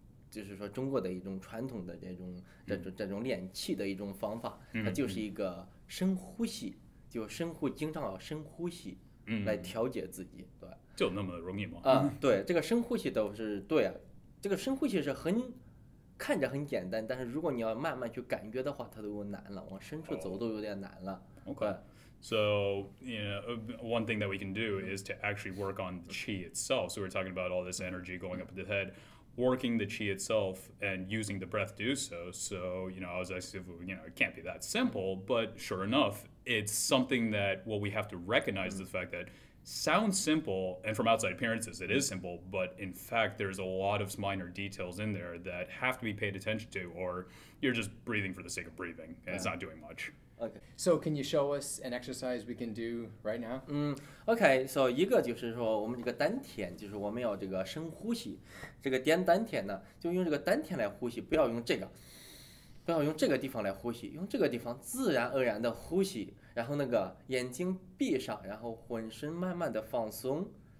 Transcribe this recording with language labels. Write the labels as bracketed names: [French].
[Chinese] 就是说中国的一种传统的这种练气的一种方法，它就是一个深呼吸，就深呼经常要深呼吸来调节自己，对，就那么容易吗？对，这个深呼吸都是对啊，这个深呼吸是很看着很简单，但是如果你要慢慢去感觉的话，它都难了，往深处走都有点难了。OK。 [English] So, you know, one thing that we can do is to actually work on the chi itself. So we're talking about all this energy going up in the head. working the chi itself and using the breath to do so. So, you know, I was actually, you know, it can't be that simple, but sure enough, it's something that, well, we have to recognize the fact that sounds simple, and from outside appearances, it is simple, but in fact, there's a lot of minor details in there that have to be paid attention to, or you're just breathing for the sake of breathing, and it's not doing much. Okay. So, can you show us an exercise we can do right now? Okay, so [Chinese] 一个就是说我们这个丹田，就是我们要这个深呼吸，这个颠丹田呢，就用这个丹田来呼吸，不要用这个，不要用这个地方来呼吸，用这个地方自然而然的呼吸，然后那个眼睛闭上，然后浑身慢慢的放松。